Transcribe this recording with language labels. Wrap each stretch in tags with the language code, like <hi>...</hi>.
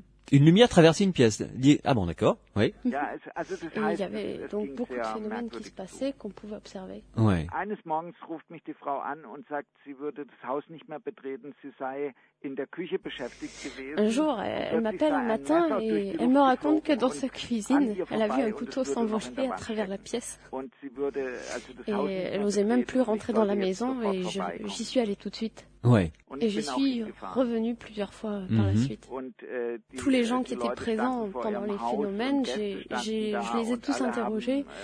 <fr>Une lumière traversait une pièce. Ah bon, d'accord, Et il y avait donc beaucoup de phénomènes qui se passaient, qu'on pouvait observer.</fr> <de>Eines morgens ruft mich die Frau an und sagt, sie würde das Haus nicht mehr betreten, sie sei in der Küche beschäftigt gewesen.</de> <fr>Un jour, elle m'appelle un matin et elle me raconte que dans sa cuisine, elle a vu un couteau s'envelopper à travers la pièce. Et elle n'osait même plus rentrer dans la maison et j'y suis allée tout de suite. Et j'y suis revenue plusieurs fois par la suite. Tous les gens qui étaient présents pendant les phénomènes, je les ai tous interrogés.</fr>